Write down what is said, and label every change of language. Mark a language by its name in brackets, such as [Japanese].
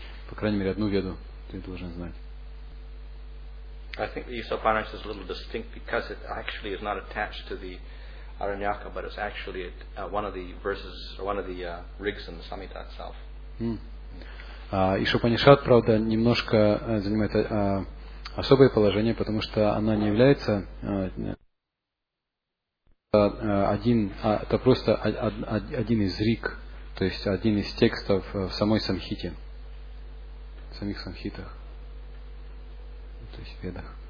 [Russian] По крайней мере, одну Веду ты должен знать. [English] I think the Upanishad is a little distinct because it actually is not attached to the Aranyaka, but it's actually one of the verses, or one of the rigs in the Samhita itself. [Russian] Ишупанишад, правда, немножко занимает особое положение, потому что она не является один из риг, то есть один из текстов в самой Самхите, в самих Самхитах, то есть в Ведах.